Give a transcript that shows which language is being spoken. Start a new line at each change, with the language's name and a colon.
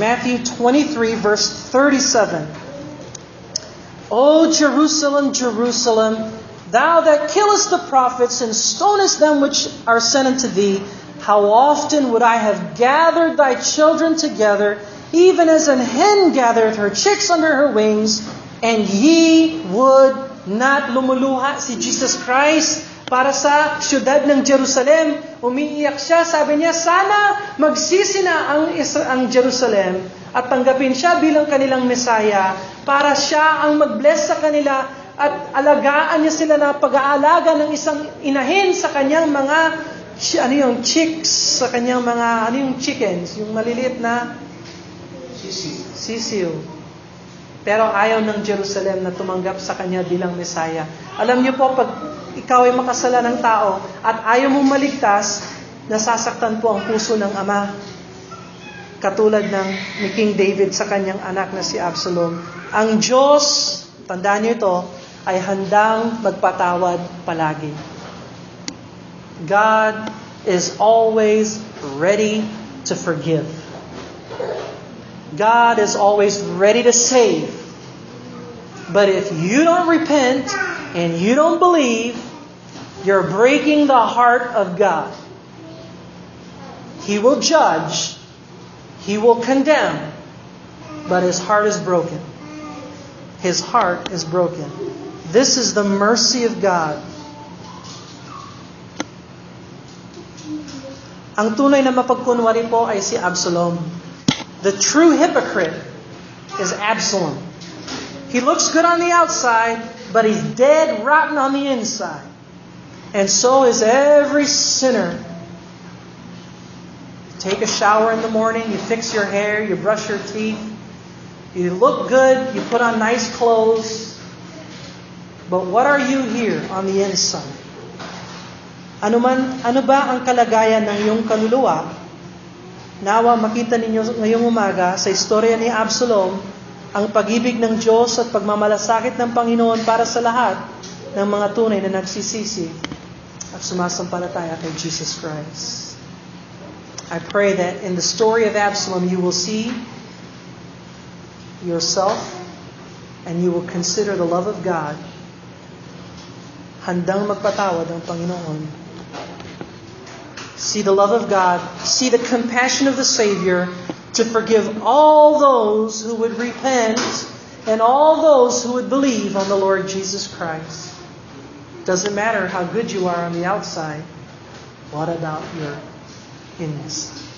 English: Matthew 23, verse 37. O Jerusalem, Jerusalem, thou that killest the prophets and stonest them which are sent unto thee, how often would I have gathered thy children together, even as an hen gathereth her chicks under her wings, and ye would not.
Filipino: Lumuluha si Jesus Christ para sa siyudad ng Jerusalem. Umiiyak siya, sabi niya, sana magsisi na ang Jerusalem at tanggapin siya bilang kanilang Mesiya, para siya ang mag-bless sa kanila at alagaan niya sila na pag-aalaga ng isang inahin sa kanyang mga ano yung chicks, sa kanyang mga, ano yung chickens, yung maliliit na sisiu. Pero ayaw ng Jerusalem na tumanggap sa kanya bilang Mesiya. Alam niyo po, pag ikaw ay makasala ng tao at ayaw mong maligtas, nasasaktan po ang puso ng Ama. katulad ng ni King David sa kanyang anak na si Absalom, ang Diyos, tandaan niyo ito, ay handang magpatawad palagi.
English: God is always ready to forgive. God is always ready to save. But if you don't repent and you don't believe, you're breaking the heart of God. He will judge. He will condemn. But His heart is broken. His heart is broken. This is the mercy of God.
Filipino: Ang tunay na mapagkunwari po ay si Absalom.
English: The true hypocrite is Absalom. He looks good on the outside, but he's dead rotten on the inside. And so is every sinner. You take a shower in the morning, you fix your hair, you brush your teeth, you look good, you put on nice clothes. But what are you here on the inside?
Filipino: Ano ba ang kalagayan ng iyong kaluluwa? Nawa makita ninyo ngayong umaga sa istorya ni Absalom ang pag-ibig ng Diyos at pagmamalasakit ng Panginoon para sa lahat ng mga tunay na nagsisisi at sumasampalataya kay Jesus Christ.
English: I pray that in the story of Absalom you will see yourself and you will consider the love of God.
Filipino: Handang magpatawad ang Panginoon.
English: See the love of God. See the compassion of the Savior to forgive all those who would repent and all those who would believe on the Lord Jesus Christ. Doesn't matter how good you are on the outside. What about your inside?